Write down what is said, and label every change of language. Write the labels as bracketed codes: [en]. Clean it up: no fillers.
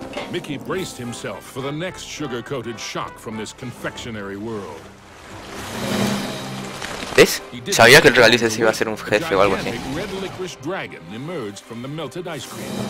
[en] Mickey braced himself for the next sugar-coated shock from this confectionery world. [es] ¿Ves? Sabía que el regaliz ese iba a ser un jefe o algo así. [en] Red licorice dragon emerged from the melted ice cream.